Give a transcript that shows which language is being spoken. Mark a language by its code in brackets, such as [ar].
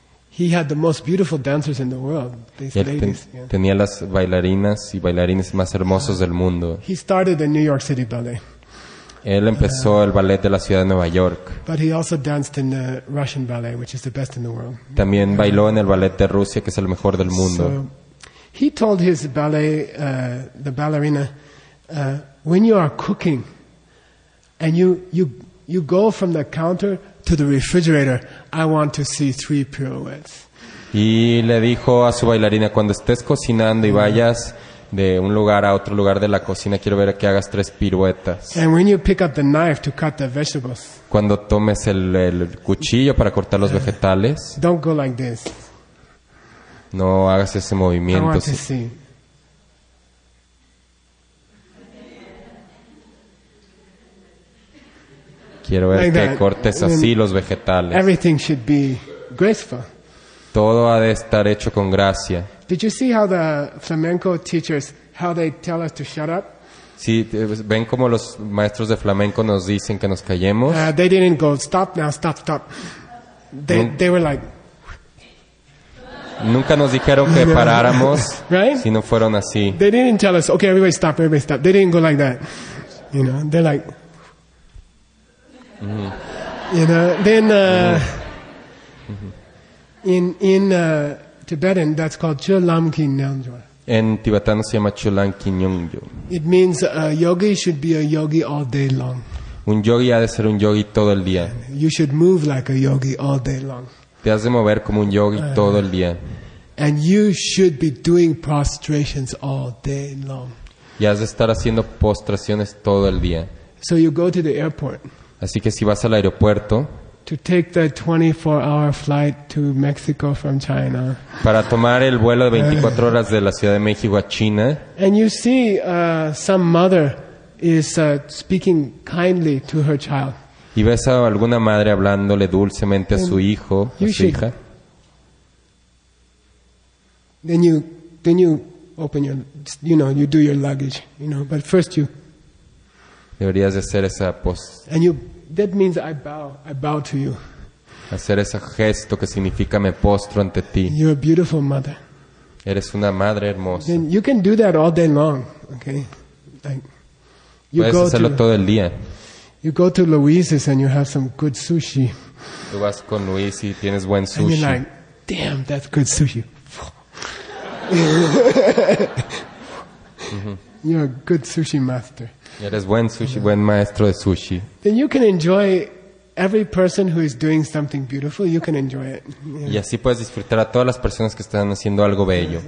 [en] he had the most beautiful dancers in the world. These [es] él [en] ladies. [es] Tenía las bailarinas y bailarines más hermosos del mundo. [en] He started the New York City Ballet. [es] Él empezó el ballet de la ciudad de Nueva York. [en] But he also danced in the Russian Ballet, which is the best in the world. [es] También bailó en el ballet de Rusia, que es el mejor del mundo. [en] So, he told his ballet, the ballerina, when you are cooking, and you go from the counter to the refrigerator, I want to see 3 pirouettes. [es] Y le dijo a su bailarina, cuando estés cocinando y vayas de un lugar a otro lugar de la cocina, quiero ver que hagas 3 piruetas. [en] And when you pick up the knife to cut the vegetables. [es] Cuando tomes el cuchillo para cortar los vegetales. [en] Don't go like this. [es] No hagas ese movimiento. [en] I want to see. [es] Quiero ver que cortes así los vegetales. [en] Everything should be graceful. [es] Todo ha de estar hecho con gracia. [en] Did you see how the flamenco teachers, how they tell us to shut up? [es] Sí, ven como los maestros de flamenco nos dicen que nos callemos. [en] They didn't go, stop now, stop, stop. They were like... [es] Nunca nos dijeron que paráramos, [en] right? [es] Si no fueron así. [en] They didn't tell us, okay, everybody stop. They didn't go like that. You know, they're like... Mm-hmm. You know, then... In Tibetan, that's called Chulam Kinyongjo. [es] En tibetano se llama Chulam Kinyongjo. [en] It means a yogi should be a yogi all day long. [es] Un yogi ha de ser un yogi todo el día. [en] You should move like a yogi all day long. [es] Te has de mover como un yogi todo el día. [en] And you should be doing prostrations all day long. [es] Y has de estar haciendo postraciones todo el día. [en] So you go to the airport. [es] Así que si vas al aeropuerto. [en] To take the 24-hour flight to Mexico from China. [es] Para tomar el vuelo de 24 horas de la Ciudad de México a China. [en] And you see some mother is speaking kindly to her child. [es] Y ves a alguna madre hablándole dulcemente a su hijo, a su hija. [en] Then you open your, you know, you do your luggage, you know, but first you. [es] Deberías de hacer esa post. [en] And you. That means I bow to you. [es] Hacer ese gesto que significa me postro ante ti. [en] You're a beautiful mother. [es] Eres una madre hermosa. [en] Then you can do that all day long, okay? Like, you puedes go hacerlo to, todo el día. You go to Luis's and you have some good sushi. [es] Tú vas con Luis y tienes buen sushi. [en] And you're like, damn, that's good sushi. You're a good sushi master. [es] Eres buen sushi, buen maestro de sushi. [en] Then you can enjoy every person who is doing something beautiful. You can enjoy it. [es] Y así puedes disfrutar a todas las personas que están haciendo algo bello.